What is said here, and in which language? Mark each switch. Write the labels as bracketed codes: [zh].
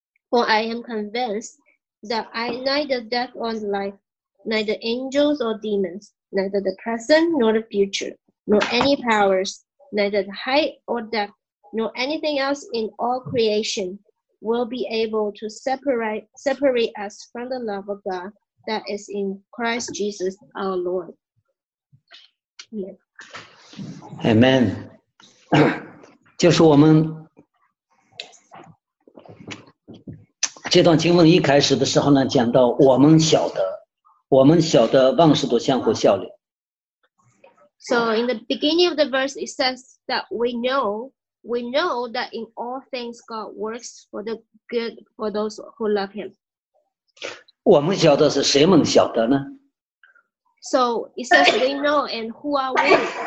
[en] For I am convinced that I neither death nor life, neither angels nor demons, neither the present nor the future, nor any powers, neither the height or depth, nor anything else in all creation, will be able to separate us from the love of God that is in Christ Jesus our Lord. Yeah. Amen. [zh] 就是我们这段经文一开始的时候呢，讲到我们晓得万事都相互效力。 [en] So in the beginning of the verse, it says that we know that in all things God works for the good for those who love him. [zh] 我们晓得是谁们晓得呢？ [en] So it says we know and who are we?